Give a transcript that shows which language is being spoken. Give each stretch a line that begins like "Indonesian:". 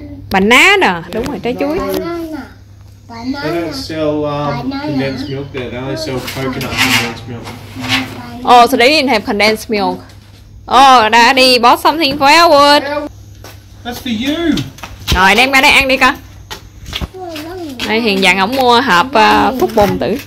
Vietnamese: Banana, đúng rồi, trái chuối.
English: They don't sell condensed milk there. They only sell coconut condensed milk. Oh, so they didn't have condensed milk. Oh, Daddy bought something for Elwood. That's for you.
Vietnamese: Rồi, đem qua đây ăn đi con. Đây, Hiền dặn ổng mua hộp phúc bồn tử.